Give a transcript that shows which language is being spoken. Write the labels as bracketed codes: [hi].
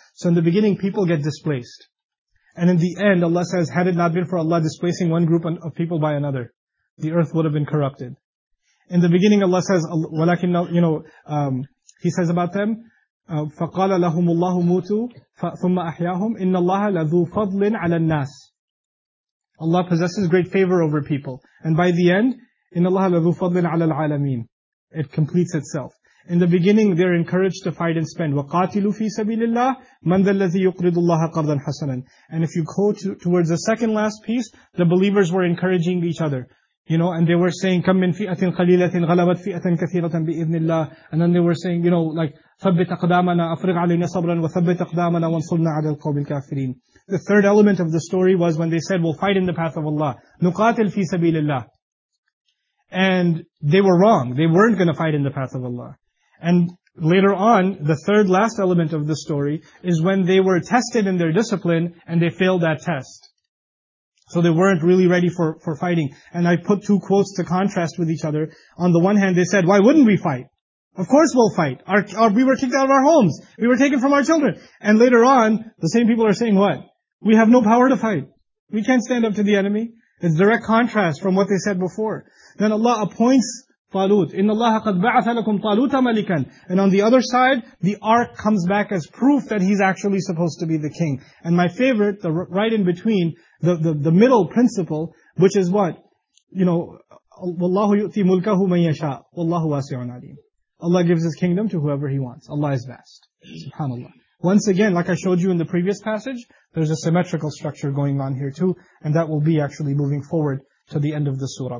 [en] So in the beginning, people get displaced. And in the end, Allah says, had it not been for Allah displacing one group of people by another, the earth would have been corrupted. In the beginning, Allah says, walakin, you know, He says about them, [ar] فَقَالَ لَهُمُ اللَّهُ مُوتُوا ثُمَّ أَحْيَاهُمْ إِنَّ اللَّهَ لَذُو فَضْلٍ عَلَى النَّاسِ. [en] Allah possesses great favor over people. And by the end, [ar] إِنَّ اللَّهَ لَذُو فَضْلٍ عَلَى الْعَالَمِينَ. [en] It completes itself. In the beginning, they're encouraged to fight and spend. [ar] وَقَاتِلُوا فِي سَبِيلِ اللَّهِ مَنْ ذَلَّذِي يُقْرِضُ اللَّهَ قَرْضًا حَسَنًا. [en] And if you go towards the second last piece, the believers were encouraging each other. You know, and they were saying, [ar] كَمْ مِنْ فِئَةٍ قَلِيلَةٍ غَلَبَتْ فِئَةً كَثِيرَةً بِإِذْنِ اللَّهِ. [en] And then they were saying, you know, like, [ar] ثَبِّتْ أَقْدَامَنَا أَفْرِغْ عَلَيْنَا صَبْرًا وَثَبِّتْ أَقْدَامَنَا وَانْصُرْنَا عَلَى الْقَوْمِ الْكَافِرِينَ. [en] The third element of the story was when they said, we'll fight in the path of Allah. [ar] نُقَاتِلْ فِي سَبِيلِ اللَّهِ. [en] And they were wrong. They weren't going to fight in the path of Allah. And later on, the third last element of the story is when they were tested in their discipline and they failed that test. So they weren't really ready for fighting. And I put two quotes to contrast with each other. On the one hand, they said, why wouldn't we fight? Of course we'll fight. We were kicked out of our homes. We were taken from our children. And later on, the same people are saying what? We have no power to fight. We can't stand up to the enemy. It's direct contrast from what they said before. Then Allah appoints Talut. [ar] إِنَّ اللَّهَ قَدْ بَعَثَ لَكُمْ طَالُوتَ مَلِكًا. [en] And on the other side, the ark comes back as proof that he's actually supposed to be the king. And my favorite, the right in between, the middle principle, which is what? You know, [ar] وَاللَّهُ يُؤْتِي مُلْكَهُ مَنْ يَشَاءُ وَاللَّهُ وَاسِعٌ عَلِيمٌ. [en] Allah gives His kingdom to whoever He wants. Allah is vast. SubhanAllah. Once again, like I showed you in the previous passage, there's a symmetrical structure going on here too, and that will be actually moving forward to the end of the surah.